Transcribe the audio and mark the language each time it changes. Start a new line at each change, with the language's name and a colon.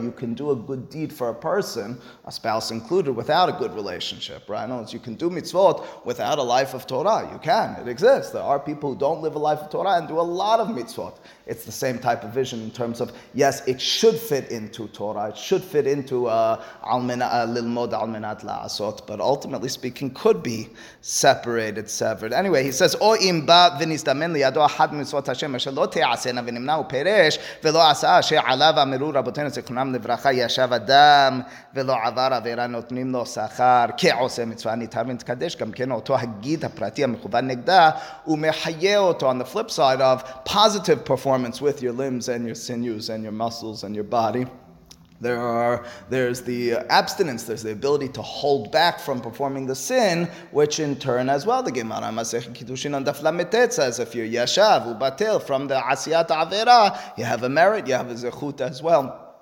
English: You can do a good deed for a person, a spouse included, without a good relationship, right? In other words, you can do mitzvot without a life of Torah. You can. It exists. There are people who don't live a life of Torah and do a lot of mitzvot. It's the same type of vision in terms of, yes, it should fit into Torah. It should fit into
Hebrew: lilmod al menat la'asot,
English: but ultimately speaking, could be separated, severed. Anyway, he says,
Hebrew: או אם בא ונזדמן לידו אחד ממצוות השם אשר לא תעשינה ונמנע ופרש ולא עשה אשר עליו אמרו רבותינו זכרונם לברכה ישב אדם ולא עבר עבירה נותנים לו שכר כעושה מצווה ניתן ונתקדש גם כן אותו הגיד הפרטי המכוון נגדה ומחיה אותו.
English: On the flip side of positive performance with your limbs and your sinews and your muscles and your body, There's the abstinence, there's the ability to hold back from performing the sin, which in turn as well, the Gemara Masech Kiddushin on Daf Lametet says, if you're Yashav, Ubatil, from the Asiyat Avera, you have a merit, you have a Zechut as well.